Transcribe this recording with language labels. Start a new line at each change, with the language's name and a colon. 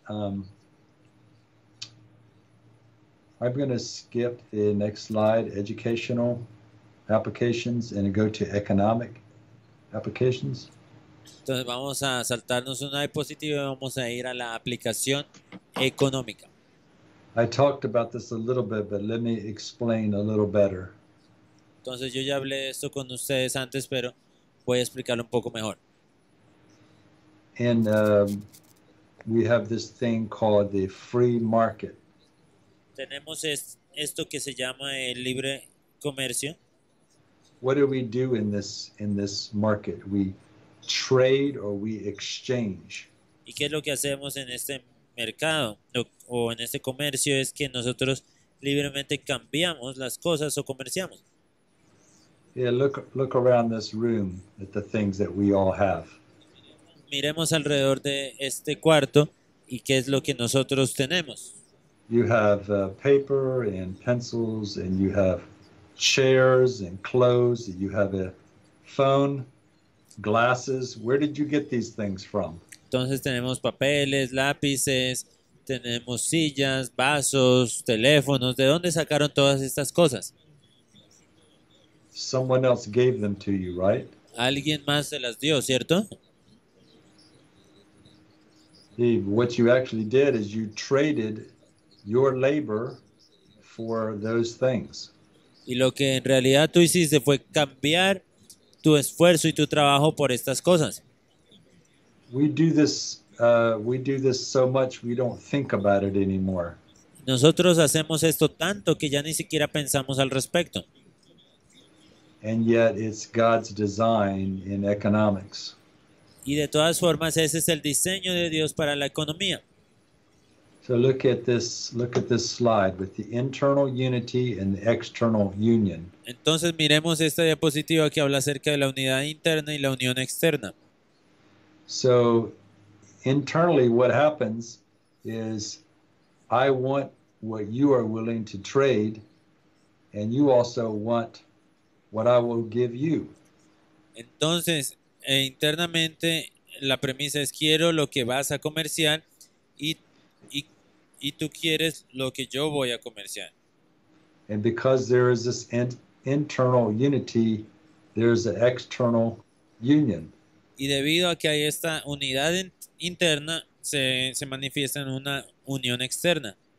English: I'm going to skip the next slide, educational applications, and go to economic applications.
Spanish: Entonces vamos a saltarnos una diapositiva y vamos a ir a la aplicación económica.
English: I talked about this a little bit, but let me explain a little better.
Spanish: Entonces yo ya hablé esto con ustedes antes, pero voy a explicarlo un poco mejor.
English: And we have this thing called the free market.
Spanish: Tenemos esto que se llama el libre comercio.
English: What do we do in this market? We trade or we exchange.
Spanish: ¿Y qué es lo que hacemos en este mercado o en este comercio? Es que nosotros libremente cambiamos las cosas o comerciamos.
English: Yeah, look around this room at the things that we all have.
Spanish: Miremos alrededor de este cuarto y qué es lo que nosotros tenemos.
English: You have paper and pencils, and you have chairs and clothes, you have a phone, glasses. Where did you get these things from?
Spanish: Entonces tenemos papeles, lápices, tenemos sillas, vasos, teléfonos. ¿De dónde sacaron todas estas cosas?
English: Someone else gave them to you, right?
Spanish: Alguien más se las dio, ¿cierto?
English: What you actually did is you traded your labor for those things.
Spanish: Y lo que en realidad tú hiciste fue cambiar tu esfuerzo y tu trabajo por estas cosas.
English: We do this so much we don't think about it anymore.
Spanish: Nosotros hacemos esto tanto que ya ni siquiera pensamos al respecto.
English: And yet it's God's design in economics.
Spanish: Y de todas formas, ese es el diseño de Dios para la economía.
English: So look at this slide with the internal unity and the external union.
Spanish: Entonces miremos esta diapositiva que habla acerca de la unidad interna y la unión externa.
English: So internally, what happens is I want what you are willing to trade, and you also want what I will give you.
Spanish: Entonces, internamente la premisa es quiero lo que vas a comerciar y tú quieres lo que yo voy a comerciar.
English: And because there is this internal unity, there's an external union.
Spanish: Y debido a que hay esta unidad interna, se manifiesta en una unión externa.